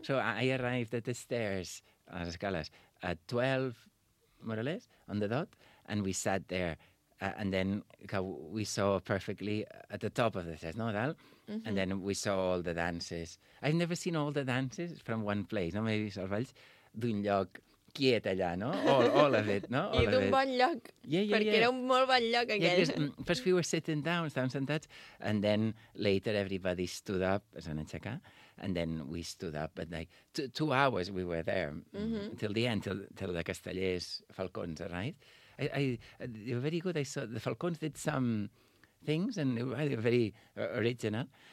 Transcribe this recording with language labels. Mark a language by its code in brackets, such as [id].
[en] So I arrived at the stairs, [es] las escalas, [en] at 12, more or less, on the dot, and we sat there, and then we saw perfectly at the top of the stairs, no, dalt, mm-hmm. And then we saw all the dances. I've never seen all the dances from one place, no? Maybe Salvalls, [ca] d'un lloc quiet allà, [en] no? All of it, no? All [ca] I d'un bon lloc, perquè era un molt bon lloc aquell. [en] Yeah, first we were sitting down, [ca] estàvem sentats, [en] and then later everybody stood up, [ca] es van aixecar, [en] and then we stood up, and like two hours we were there, mm-hmm. Until the end, till the Castellers Falcons arrived. They were very good. I saw the Falcons did some things, and they were very original.